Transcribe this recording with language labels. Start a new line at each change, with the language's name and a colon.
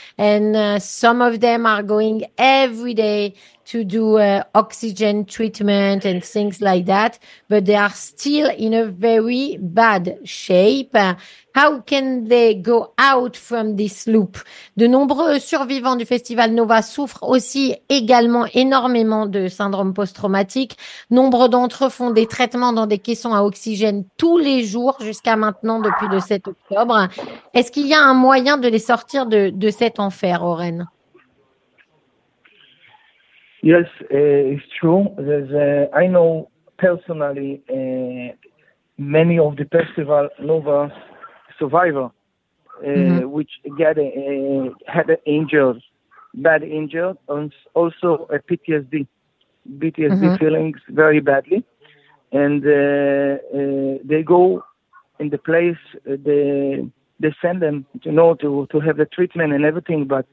English: And some of them are going every day to do oxygen treatment and things like that. But they are still in a very bad shape. How can they go out from this loop?
French: De nombreux survivants du festival Nova souffrent aussi également énormément de syndrome post-traumatique. Nombre d'entre eux font des traitements dans des caissons à oxygène tous les jours jusqu'à maintenant depuis le 7 octobre. Est-ce qu'il y a un moyen de les sortir de cet enfer, Oren?
English: Yes, it's true. I know personally many of the festival Nova survivor, which get had an injured, bad injured, and also a PTSD feelings very badly, and they go in the place they send them, you know, to have the treatment and everything.